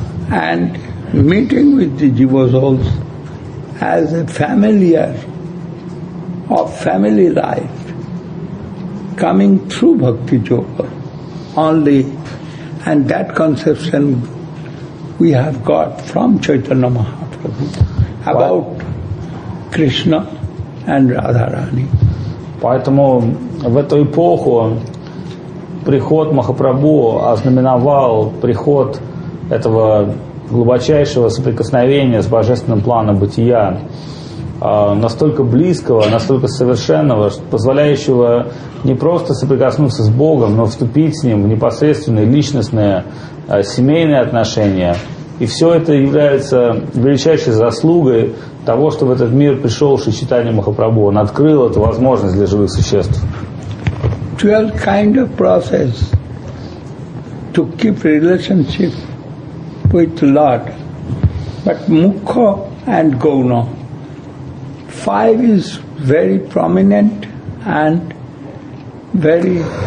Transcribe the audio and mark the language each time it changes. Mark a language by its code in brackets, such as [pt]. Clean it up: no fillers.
[en] And meeting with the jiva souls as a familiar of family life, coming through bhakti yoga only, and that conception we have got from Chaitanya Mahaprabhu about Krishna and Radharani. [ru] Поэтому в эту эпоху приход Махапрабху ознаменовал приход этого глубочайшего соприкосновения с божественным планом бытия, настолько близкого, настолько совершенного, позволяющего не просто соприкоснуться с Богом, но вступить с Ним в непосредственные личностные семейные отношения. И все это является величайшей заслугой того, что в этот мир пришел Шри Чайтанья Махапрабху. Он открыл эту возможность для живых существ. [en] 12 kind of process to keep relationship with Lord, but Mukha and Gauna, five is very prominent and very